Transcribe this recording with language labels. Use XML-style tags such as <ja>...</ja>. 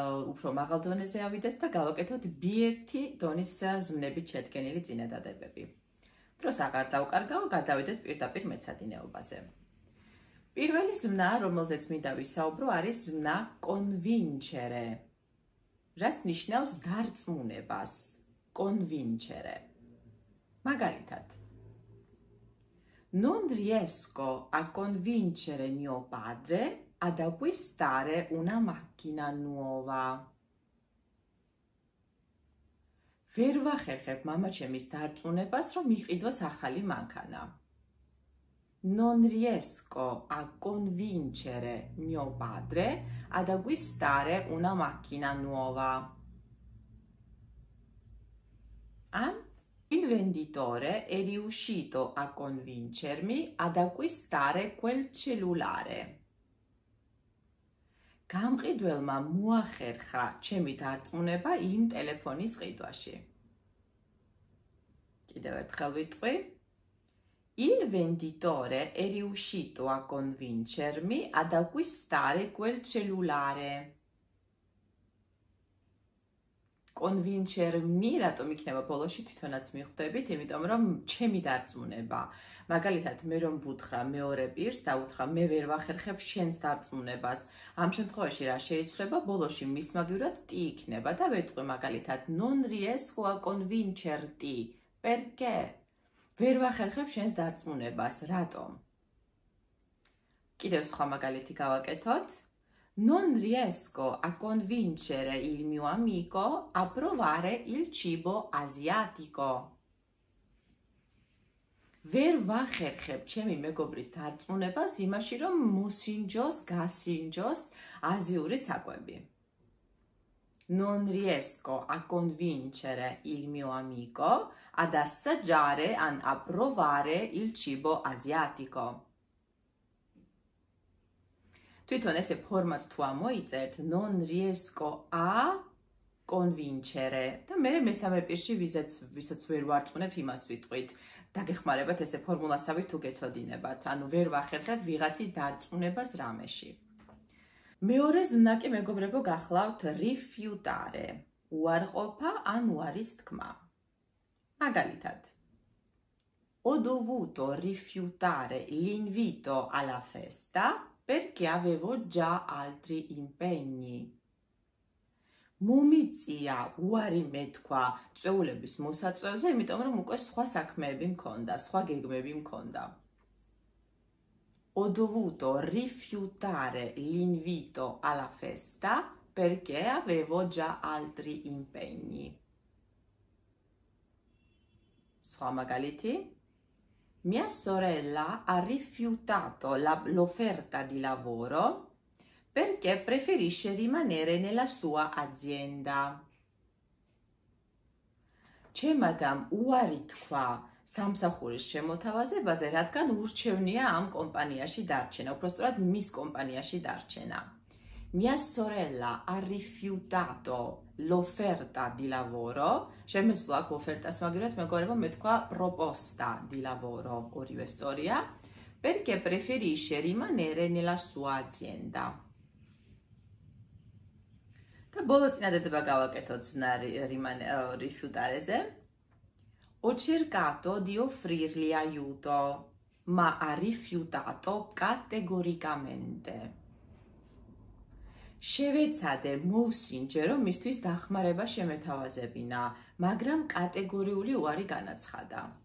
<ka>უფრო მაღალ დონეზე ავიდეთ და გავაკეთოთ B1 დონის ზმნებით შედგენილი წინადადებები. დროს აღარ დავკარგავ, გადავიდეთ პირდაპირ მეცადინეობაზე. პირველი ზმნა, რომელზეც მინდა ვისაუბრო, არის ზმნა convincere, რაც ნიშნავს დარწმუნებას. Convincere. მაგალითად.</ka> <it>Non riesco a convincere mio padre ad acquistare una macchina nuova.</it> <ka>ვერ ვახერხებ მამაჩემის დარწმუნებას, რომ მიყიდოს ახალი მანქანა.</ka> <it>Non riesco a convincere mio padre ad acquistare una macchina nuova. Ah, il venditore è riuscito a convincermi ad acquistare quel cellulare.</it> <ka>გამყიდველმა მოახერხა ჩემი დარწმუნება იმ ტელეფონის ყიდვაში. კიდევ ერთხელ ვიტყვი.</ka> <it>Il venditore è riuscito a convincermi ad acquistare quel cellulare.</it> <ka>Convincermi, რატომ იქნება ბოლოში თვითონაც მიხვდებით, იმიტომ რომ ჩემი დარწმუნება. მაგალითად, მე რომ ვუთხრა მეორე პირს, დავუთხრა მე ვერ ვახერხებ შენს დარწმუნებას. ამ შემთხვევაში რა შეიძლება? ბოლოში მისმაგვრად ტი იქნება და ვეტყვი მაგალითად</ka> <it>non riesco a convincerti. Perché?</it> <ka>ვერ ვახერხებ შენს დარწმუნებას, რატომ? კიდევ სხვა მაგალითი გავაკეთოთ.</ka> <it>Non riesco a convincere il mio amico a provare il cibo asiatico.</it> <ka>ვერ ვახერხებ ჩემი მეგობრის დარწმუნებას იმაში, რომ მოსინჯოს, გასინჯოს აზიური საკვები.</ka> <it>Non riesco a convincere il mio amico ad assaggiare an a provare il cibo asiatico.</it> <ka>თვითონ ესე ფორმატ თუ ამოიწერთ,</ka> <it>non riesco a convincere.</it> <ka>და მე მესამე პირში ვისაც ვერ ვარწმუნებ იმას ვიტყვით. დაგეხმარებათ ესე ფორმულასავით თუ გეცოდინებათ, ანუ ვერ ვახერხებ ვიღაცის დარწმუნებას რამეში. მეორე ზმნა კი მეგობრებო გახლავთ refutare. უარყოფა ან უარის თქმა. მაგალითად.</ka> <it>Ho dovuto rifiutare l'invito alla festa perché avevo già altri impegni.</it> <ka>მომიწია უარი მეთქვა წეულების მოსაწვევზე, იმიტომ რომ უკვე სხვა საქმეები მქონდა, სხვა გეგმები მქონდა.</ka> <it>Ho dovuto rifiutare l'invito alla festa perché avevo già altri impegni.</it> <ka>Sua magaliti?</ka> <it>Mia sorella ha rifiutato l'offerta di lavoro perché preferisce rimanere nella sua azienda. C'è madame Uaritqua.</it> <ka>სამსახურის შემოთავაზებაზე, რადგან ურჩევნია ამ კომპანიაში დარჩენა, უბრალოდ მის კომპანიაში დარჩენა.</ka> <it>Mia sorella ha rifiutato l'offerta di lavoro.</it> <ka>შემეცვლა აქ ოფერტას მაგრამ მეგობრებო მეთქვა</ka> <it>proposta di lavoro,</it> <ka>ორივე სწორია,</ka> <it>perché preferisce rimanere nella sua azienda.</it> <ka>და ბოლო წინადადება გავაკეთოთ ზნარი rifiutareზე.</ka> <it>Ho cercato di offrirgli aiuto, ma ha rifiutato categoricamente.</it> <ka>Შევეცადე მოვსინჯე, რომ მისთვის დახმარება შემეთავაზებინა, მაგრამ კატეგორიული უარი განაცხადა.</ka>